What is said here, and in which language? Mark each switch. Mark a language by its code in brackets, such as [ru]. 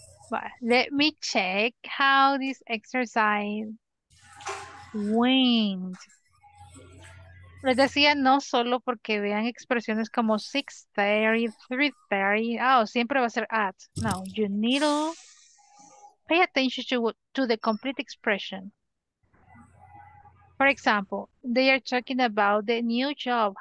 [en] But let me check how this exercise went. [es] Les decía, no solo porque vean expresiones como 6:30, 3:30, oh, siempre va a ser at. [en] No, you need to pay attention to the complete expression. For example, they are talking about the new job.